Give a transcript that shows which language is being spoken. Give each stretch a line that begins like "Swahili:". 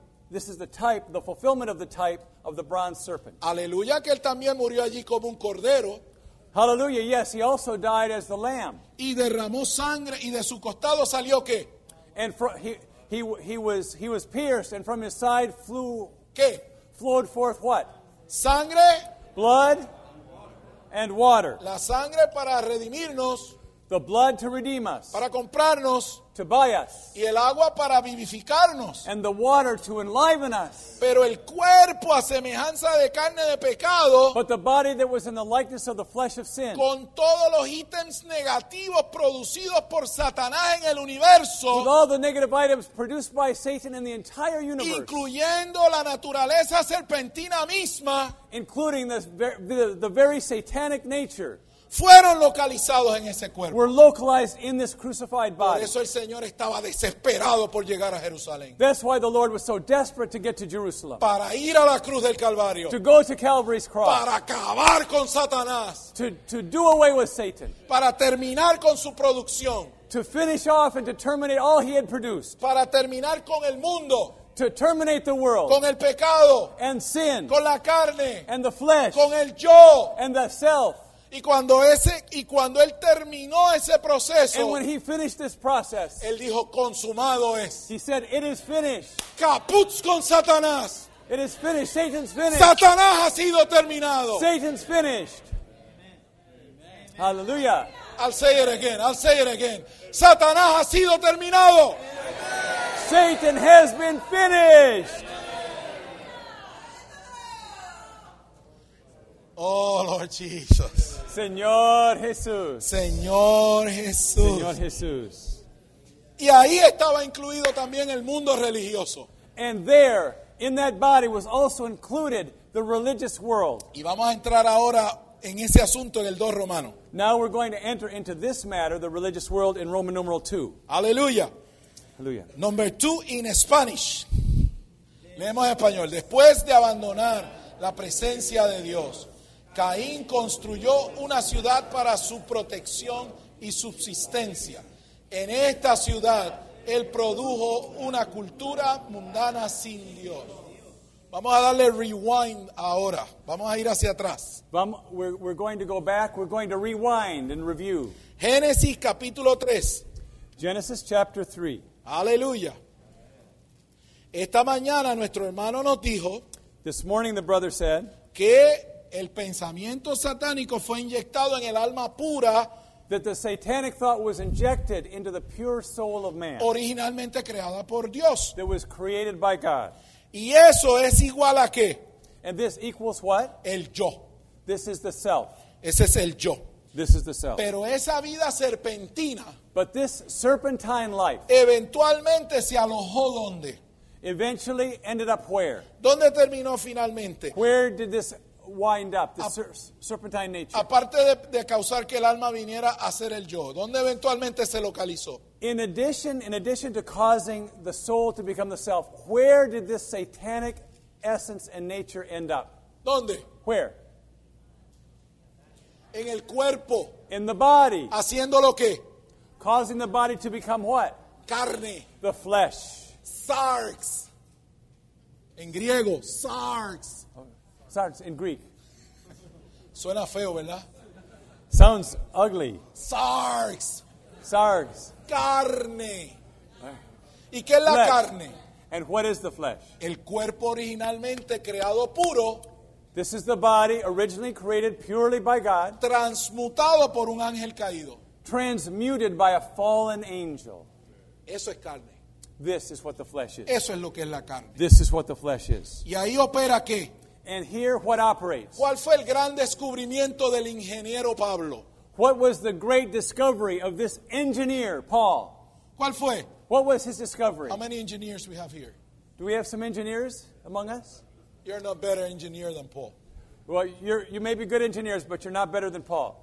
English: This is the type, the fulfillment of the type of the bronze serpent.
Spanish: Aleluya, que él también murió allí como un cordero.
English: Hallelujah, yes, he also died as the lamb.
Spanish: Y derramó sangre, y de su costado salió ¿qué?
English: And he was pierced, and from his side flew,
Spanish: ¿qué?
English: Flowed forth what?
Spanish: Sangre,
English: blood, and water.
Spanish: La sangre para redimirnos,
English: the blood to redeem us,
Spanish: para comprarnos,
English: to buy us,
Spanish: y el agua para vivificarnos,
English: and the water to enliven us.
Spanish: Pero el cuerpo a semejanza de carne de pecado,
English: but the body that was in the likeness of the flesh of sin,
Spanish: con todos los ítems negativos producidos por Satanás en el universo,
English: with all the negative items produced by Satan in the entire universe,
Spanish: incluyendo la naturaleza serpentina misma,
English: including the very satanic nature,
Spanish: fueron localizados en ese cuerpo.
English: Were localized in this crucified body.
Spanish: Por eso el Señor estaba desesperado por llegar a Jerusalén.
English: That's why the Lord was so desperate to get to Jerusalem.
Spanish: Para ir a la cruz del Calvario.
English: To go to Calvary's cross.
Spanish: Para acabar con Satanás.
English: To do away with Satan.
Spanish: Para terminar con su producción.
English: To finish off and to terminate all he had produced.
Spanish: Para terminar con el mundo.
English: To terminate the world.
Spanish: Con el pecado.
English: And sin.
Spanish: Con la carne.
English: And the flesh.
Spanish: Con el yo.
English: And the self.
Spanish: Y cuando él terminó ese proceso,
English: and when he finished this process,
Spanish: él dijo, consumado es.
English: He said, it is finished.
Spanish: Caput con Satanás.
English: It is finished. Satan's finished.
Spanish: Satanás ha sido terminado.
English: Satan's finished. Amen. Hallelujah. I'll say it again.
Spanish: Satanás ha sido terminado. Amen.
English: Satan has been finished. Oh, Lord Jesus.
Spanish: Señor Jesús. Señor Jesús. Señor Jesús. Y ahí estaba incluido también el mundo religioso.
English: And there, in that body, was also included the religious world.
Spanish: Y vamos a entrar ahora en ese asunto en el 2 Romano.
English: Now we're going to enter into this matter, the religious world, in Roman numeral 2.
Spanish: Aleluya. Aleluya.
English: Number 2 in Spanish.
Spanish: Leemos en español. Después de abandonar la presencia de Dios, Caín construyó una ciudad para su protección y subsistencia. En esta ciudad, él produjo una cultura mundana sin Dios. Vamos a darle rewind ahora. Vamos a ir hacia atrás.
English: We're going to go back. We're going to rewind and review.
Spanish: Génesis capítulo 3.
English: Genesis chapter 3.
Spanish: Aleluya. Esta mañana nuestro hermano nos dijo,
English: this morning the brother said,
Spanish: que el pensamiento satánico fue inyectado en el alma pura,
English: that the satanic thought was injected into the pure soul of man,
Spanish: originalmente creada por Dios,
English: that was created by God.
Spanish: Y eso es igual a qué?
English: And this equals what?
Spanish: El yo.
English: This is the self.
Spanish: Ese es el yo.
English: This is the self.
Spanish: Pero esa vida serpentina,
English: but this serpentine life,
Spanish: eventualmente se alojó donde?
English: Eventually ended up where?
Spanish: ¿Dónde terminó finalmente?
English: Where did this wind up, this serpentine nature?
Spanish: Aparte de causar que el alma viniera a ser el yo, ¿dónde eventualmente se localizó?
English: In addition to causing the soul to become the self, where did this satanic essence and nature end up?
Spanish: ¿Dónde?
English: Where?
Spanish: En el cuerpo.
English: In the body.
Spanish: ¿Haciendo lo qué?
English: Causing the body to become what?
Spanish: Carne.
English: The flesh.
Spanish: Sarx. En griego, sarx.
English: Sarx in Greek.
Spanish: Suena feo, ¿verdad?
English: Sounds ugly.
Greek: Sarx. Sarx.
Spanish: Carne. ¿Y qué es la carne?
English: And what is the flesh?
Spanish: El cuerpo originalmente creado puro.
English: This is the body originally created purely by God.
Spanish: Transmutado por un ángel caído.
English: Transmuted by a fallen angel.
Spanish: Eso es carne.
English: This is what the flesh is.
Spanish: Eso es lo que es la carne.
English: This is what the flesh is.
Spanish: ¿Y ahí opera qué?
English: And here what operates?
Spanish: ¿Cuál fue el gran descubrimiento del ingeniero Pablo?
English: What was the great discovery of this engineer, Paul?
Spanish: ¿Cuál fue?
English: What was his discovery? How many engineers we have here? Do we have some engineers among us? You're not better engineer than Paul. Well, you may be good engineers, but you're not better than Paul.